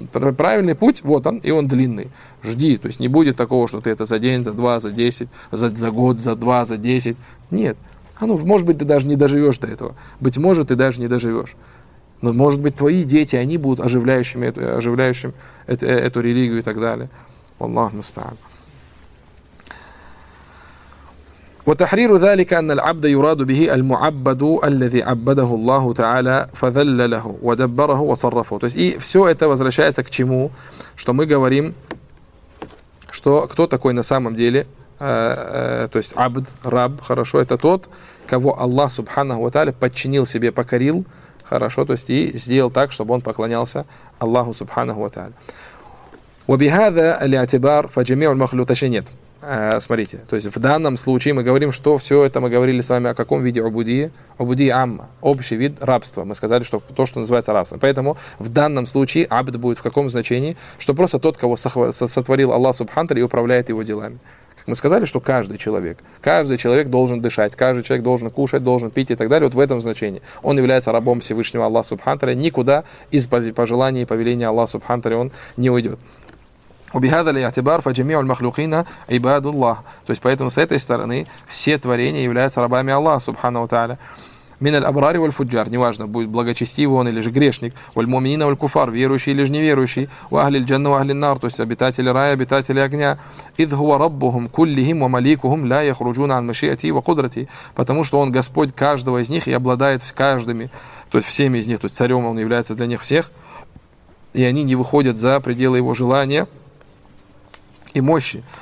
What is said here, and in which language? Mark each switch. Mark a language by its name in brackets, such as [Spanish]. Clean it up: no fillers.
[Russian] Правильный путь, вот он, и он длинный. Жди, то есть не будет такого, что ты это за день, за два, за десять, за год, за два, за десять. Нет. А ну, может быть, ты даже не доживешь до этого. Быть может, ты даже не доживешь. Но, может быть, твои дети, они будут оживляющими эту религию и так далее. Аллах мустаан. [Arabic] وتحرير ذلك أن العبد يراد به المعبد الذي عبده الله تعالى فذل له ودبره وصرفه. [Russian] То есть и все это возвращается к чему, что мы говорим, что кто такой на самом деле, то есть абд, раб, хорошо, это тот, кого Аллах Субханаху ва тааля подчинил себе, покорил, хорошо, то есть и сделал так, чтобы он поклонялся Аллаху Субханаху ва тааля. [Arabic] وبهذا الاعتبار فجميع المخلوق [Russian] точнее нет. Смотрите, то есть в данном случае мы говорим, что все это мы говорили с вами о каком виде убудии? Убудии амма, общий вид рабства. Мы сказали, что то, что называется рабством. Поэтому в данном случае абд будет в каком значении? Что просто тот, кого сотворил Аллах Субханта и управляет его делами. Как мы сказали, что каждый человек должен дышать, каждый человек должен кушать, должен пить и так далее. Вот в этом значении он является рабом Всевышнего Аллаха Субханта, никуда из пожеланий и повеления Аллаха Субханта он не уйдет. [Arabic] وبهذا الاعتبار فجميع المخلوقين عباد الله. [Russian] То есть поэтому с этой стороны все творения являются рабами Аллаха Субхана ва Тааля. [Arabic] من الأبرار والفجار, [Russian] неважно будет благочестивый он или же грешник, [Arabic] والمؤمنين والكفار, [Russian] верующий или же неверующий, [Arabic] وأهل الجنة وأهل النار, [Russian] то есть обитатели рая, обитатели огня, [Arabic] إذ هو ربهم كلهم ومليكهم لا يخرجون عن مشيئتي وقدرتي, [Russian] потому что он Господь каждого из них и обладает каждыми, то есть всеми из них, то есть царем он является для них всех, и они не выходят за пределы его желания и мощи.